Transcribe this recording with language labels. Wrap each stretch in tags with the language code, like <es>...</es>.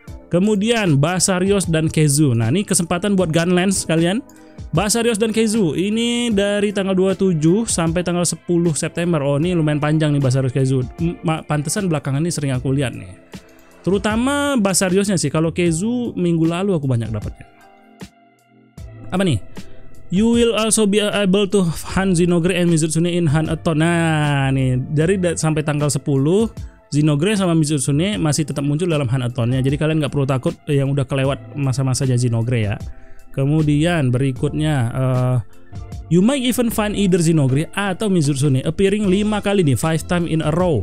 <id>Kemudian Basarios dan Kezu. Nah, ini kesempatan buat Gunlands kalian. Basarios dan Kezu ini dari tanggal 27 sampai tanggal 10 September. Oh, ini lumayan panjang nih Basarios Kezu. Pantesan belakangan ini sering aku lihat nih. Terutama Basariosnya sih, kalau Kezu minggu lalu aku banyak dapatnya. Apa nih?</id> <en>You will also be able to hunt Zinogre and Mizutsune in Hanaton.</en> <id>Nah, nih dari sampai tanggal 10, Zinogre sama Mizutsune masih tetap muncul dalam Hanatonnya. Jadi kalian nggak perlu takut yang udah kelewat masa-masanya Zinogre ya. Kemudian berikutnya,</id> <en>you might even find either Zinogre</en> <id>atau</id> <en>Mizutsune appearing 5</en> <id>kali nih,</id> <en>5 times in a row.</en>